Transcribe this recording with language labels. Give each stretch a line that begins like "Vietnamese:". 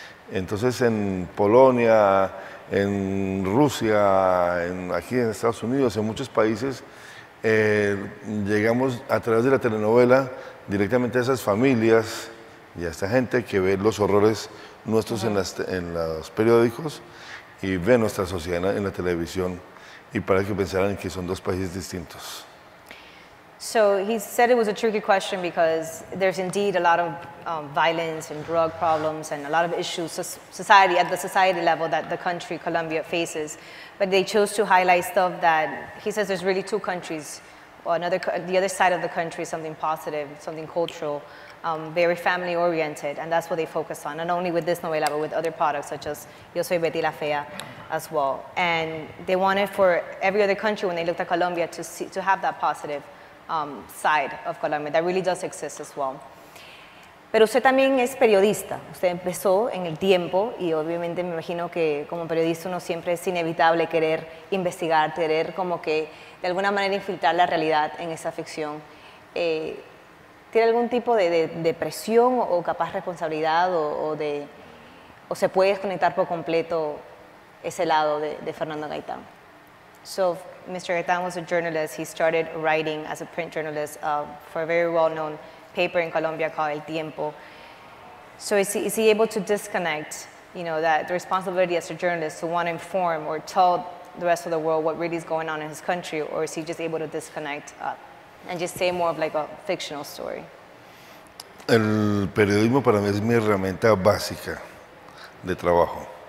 Spanish: Entonces, en Polonia, en Rusia, aquí en Estados Unidos, en muchos países, llegamos a través de la telenovela directamente a esas familias y a esta gente que ve los horrores nuestros en los periódicos y ve nuestra sociedad en la televisión, y para que pensaran que son dos países distintos.
English: So he said it was a tricky question because there's indeed a lot of violence and drug problems and a lot of issues society at the society level that the country, Colombia, faces. But they chose to highlight stuff that he says there's really two countries, the other side of the country, something positive, something cultural, very family oriented, and that's what they focus on, not only with this novela, but with other products such as Yo Soy Betty La Fea as well. And they wanted for every other country when they looked at Colombia to see, to have that positive side of Colombia that really does exist as well.
Spanish: Pero usted también es periodista. Usted empezó en El Tiempo y obviamente me imagino que como periodista uno siempre es inevitable querer investigar, querer como que de alguna manera infiltrar la realidad en esa ficción. ¿Tiene algún tipo de presión o capaz responsabilidad o se puede desconectar por completo ese lado de Fernando Gaitán?
English: So, Mr. Gaitán was a journalist. He started writing as a print journalist for a very well-known paper in Colombia called El Tiempo. So is he able to disconnect, you know, that the responsibility as a journalist to want to inform or tell the rest of the world what really is going on in his country, or is he just able to disconnect and just say more of like a fictional story?
Spanish: El periodismo para mí es mi herramienta básica de trabajo.